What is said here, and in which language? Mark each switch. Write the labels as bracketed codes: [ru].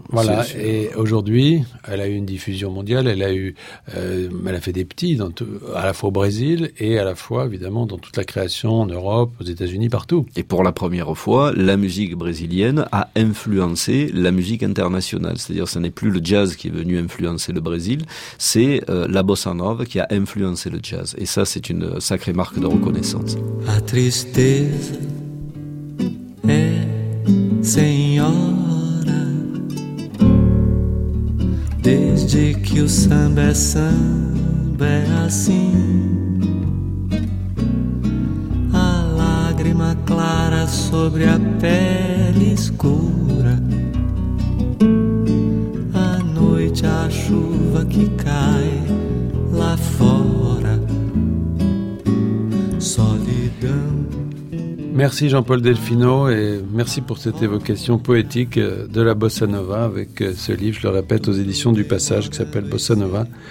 [fr] Voilà, et aujourd'hui, elle a eu une diffusion mondiale, elle a fait des petits, à la fois au Brésil, et à la fois, évidemment, dans toute la création, en Europe, aux États-Unis, partout. Et pour la première fois, la musique brésilienne a influencé la musique internationale. C'est-à-dire, ce n'est plus le jazz qui est venu influencer le Brésil, c'est la bossa nova qui a influencé le jazz. Et ça, c'est une sacrée marque de reconnaissance. [pt] A tristeza é senhora, desde que o samba é assim. A lágrima clara sobre a pele escura, à noite a chuva que cai lá fora. Solidão. [fr] Merci Jean-Paul Delfino et merci pour cette évocation poétique de la bossa nova avec ce livre, je le répète, aux éditions du Passage qui s'appelle Bossa Nova.